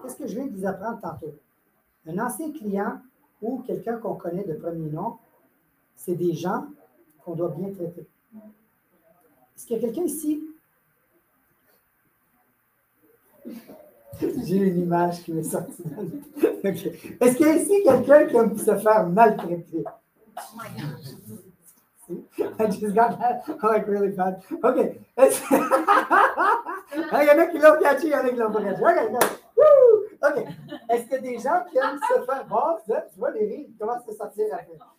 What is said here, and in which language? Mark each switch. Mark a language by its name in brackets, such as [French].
[French] Qu'est-ce que je viens de vous apprendre tantôt? Un ancien client ou quelqu'un qu'on connaît de premier nom, c'est des gens qu'on doit bien traiter. Est-ce qu'il y a quelqu'un ici? J'ai une image qui m'est sortie. Okay. Est-ce qu'il y a ici quelqu'un qui aime se faire maltraiter? [English] Oh my God! I just got that, like, really bad. OK. [French] Il y en a qui l'ont catché, il y en a qui l'ont pas catché. OK, go. Woo! OK. Est-ce qu'il y a des gens qui aiment se faire... Bon, tu vois, les rires, ils commencent à sortir après.